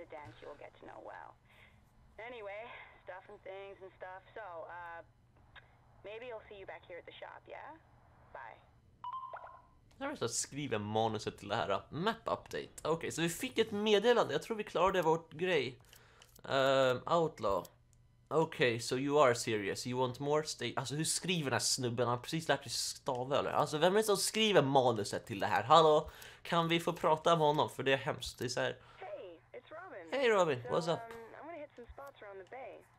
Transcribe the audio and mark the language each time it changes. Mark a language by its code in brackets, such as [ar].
[en] There's a dance you'll get to know well. Anyway, stuff and things and stuff. So, maybe I'll see you back here at the shop, yeah? Bye. [sv] Jag har att skriva manuset till det här. [en] Map update. [sv] Okej, så vi fick ett meddelande. Jag tror vi klarade vårt grej. Outlaw. [en] Okej, so you are serious. You want more? [sv] Alltså, hur skriver den här snubben? Han har precis lärt sig stava, eller? Alltså, vem är det som skriver manuset till det här? Hallå? Kan vi få prata med honom? För det är hemskt. Det är så här... [en] Hey, it's Robin. Hey, Robin. What's up? I'm gonna hit some spots around the bay.